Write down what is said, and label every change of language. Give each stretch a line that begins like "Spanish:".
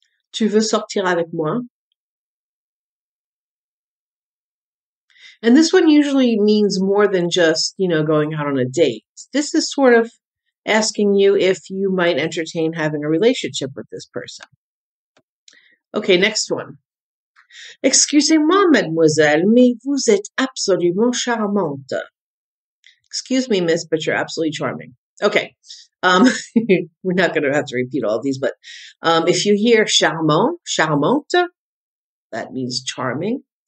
French: Tu veux sortir avec moi?
English: And this one usually means more than just, you know, going out on a date. This is sort of asking you if you might entertain having a relationship with this person. Okay, next one.
French: Excusez-moi, mademoiselle, mais vous êtes absolument charmante.
English: Excuse me, miss, but you're absolutely charming. Okay, we're not going to have to repeat all of these, but if you hear charmant, charmante, that means charming.